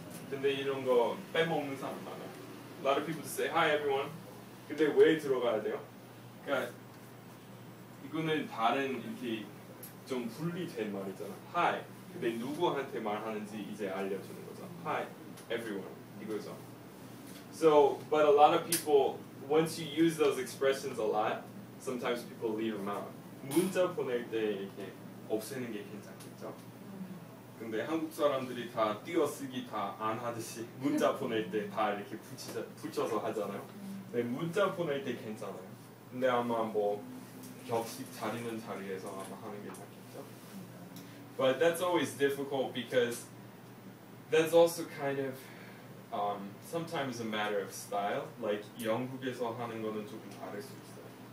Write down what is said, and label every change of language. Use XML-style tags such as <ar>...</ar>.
<ko>근데 이런 거 빼먹는 사람 많아요.</ko> <en>A lot of people say hi everyone.</en> <ko>근데 왜 들어가야 돼요? 그러니까 이거는 다른 이렇게 좀 분리된 말이잖아.</ko> <en>Hi.</en> <ko>근데 누구한테 말하는지 이제 알려주는 거죠.</ko> <en>Hi everyone.</en> <ko>이거죠.</ko> <en>So, but a lot of people once you use those expressions a lot, sometimes people leave them out.</en> <ko>문자 보낼 때 이렇게 없애는 게 괜찮겠죠? 근데 한국 사람들이 다 띄어쓰기 다 안 하듯이 문자 보낼 때 다 이렇게 붙여서 하잖아요. 근데 문자 보낼 때 괜찮아요. 근데 아마 뭐 격식 자리는 자리에서 아마 하는 게 낫겠죠.</ko> <en>But that's always difficult because that's also kind of sometimes a matter of style.</en> <ko>Like 영국에서 하는 거는 조금 다를 수 있어요.</ko>